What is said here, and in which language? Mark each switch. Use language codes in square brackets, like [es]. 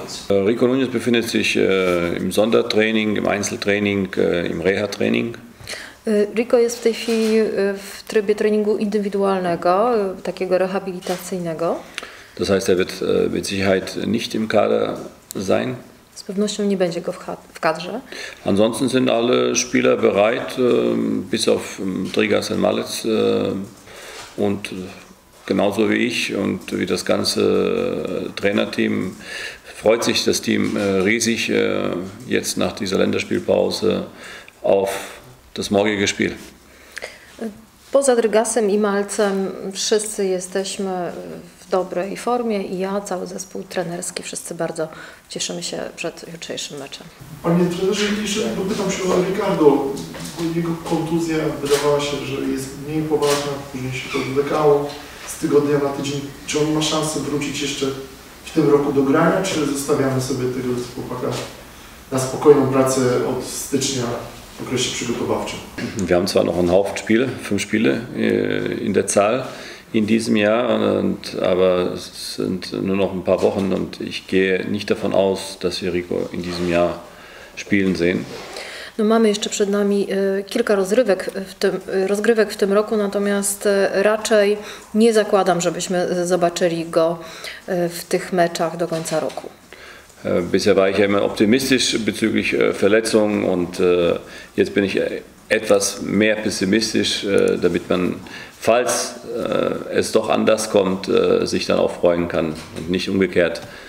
[de] Rico Nunes befindet sich im Sondertraining, im Einzeltraining, im Reha-Training. [pl] Rico jest w tej chwili w trybie treningu indywidualnego, takiego rehabilitacyjnego. [de] Das heißt, er wird mit Sicherheit nicht im Kader sein. [pl] Z pewnością nie będzie go w kadrze. [de] Ansonsten sind alle Spieler bereit, bis auf Trigas und Malec. Und genauso wie ich und wie das ganze Trainerteam freut sich das Team riesig jetzt nach dieser Länderspielpause auf das morgige Spiel. [pl] Poza Drygasem i Malcem wszyscy jesteśmy w dobrej formie i ja, cały zespół trenerski, wszyscy bardzo cieszymy się przed jutrzejszym meczem. Panie trenerze, pytam się o Ricardo. Jego kontuzja wydawała się, że jest mniej poważna, później się to odwlekało. Tygodnia na tydzień. Czy on ma szansę wrócić jeszcze w tym roku do grania, czy zostawiamy sobie tego chłopaka na spokojną pracę od stycznia w okresie przygotowawczym? [de] Wir haben zwar noch einen Haufen Spiele, fünf Spiele in der Zahl in diesem Jahr, und, aber es sind nur noch ein paar Wochen und ich gehe nicht davon aus, dass wir Rico in diesem Jahr spielen sehen. [pl] No, mamy jeszcze przed nami kilka rozgrywek w tym roku, natomiast raczej nie zakładam, żebyśmy zobaczyli go w tych meczach do końca roku. [de] Bisher war ich immer optimistisch bezüglich Verletzung und jetzt bin ich etwas mehr pessimistisch, damit man, falls es doch anders kommt, sich dann auch freuen kann und nicht umgekehrt.